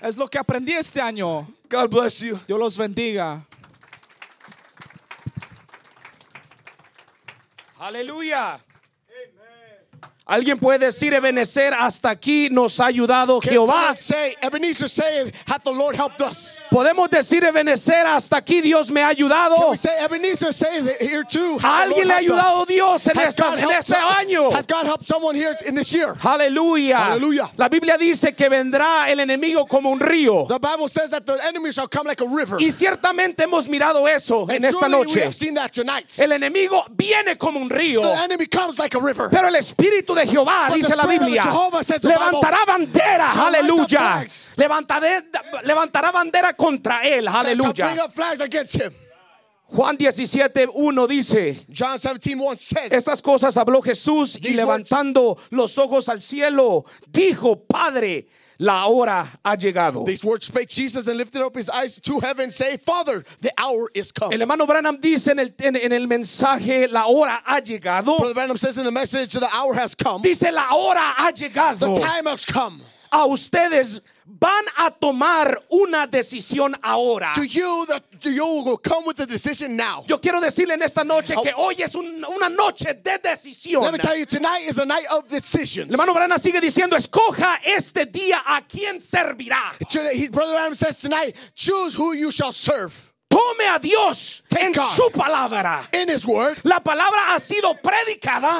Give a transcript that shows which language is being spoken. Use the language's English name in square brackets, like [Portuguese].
[Spanish] Es lo que aprendí este año. [English] God bless you. [Spanish] Dios los bendiga. Aleluya. Alguien puede decir Ebenezer hasta aquí nos ha ayudado Jehová. [English] Ebenezer say hath the Lord helped us. [Spanish] Podemos decir Ebenezer hasta aquí Dios me ha ayudado. [English] Can we say Ebenezer say here too? [Spanish] Alguien le ha ayudado Dios en este año. [English] Has God helped someone here in this year? Hallelujah. Hallelujah. [Spanish] La Biblia dice que vendrá el enemigo como un río. [English] The Bible says that the enemy shall come like a river. [Spanish] Y ciertamente hemos mirado eso en esta noche. [English] We have seen that tonight. [Spanish] El enemigo viene como un río. [English] The enemy comes like a river. [Spanish] Pero el espíritu de Jehová, [English] but [Spanish] dice la Biblia, levantará [English] Bible, [Spanish] bandera, aleluya, levantará bandera contra él, aleluya. Juan 17:1 dice, [English] John 17:1 says, [Spanish] estas cosas habló Jesús y levantando [English] words, [Spanish] los ojos al cielo, dijo, Padre, la hora ha llegado. [English] These words spake Jesus and lifted up his eyes to heaven, say, Father, the hour is come. [Spanish] El hermano Branham dice en el mensaje, la hora ha llegado. [English] Brother Branham says in the message, the hour has come. [Spanish] Dice, la hora ha llegado. [English] The time has come. [Spanish] A ustedes van a tomar una decisión ahora. [English] You will come with the decision now. [Spanish] Yo quiero decirle en esta noche que hoy es una noche de decisión. [English] Let me tell you, tonight is a night of decisions. [Spanish] Hermano Branham sigue diciendo, escoja este día a quién servirá. [English] Brother Branham says tonight, choose who you shall serve. [Spanish] Tome a Dios en su palabra. [English] In his word. [Spanish] La palabra ha sido predicada.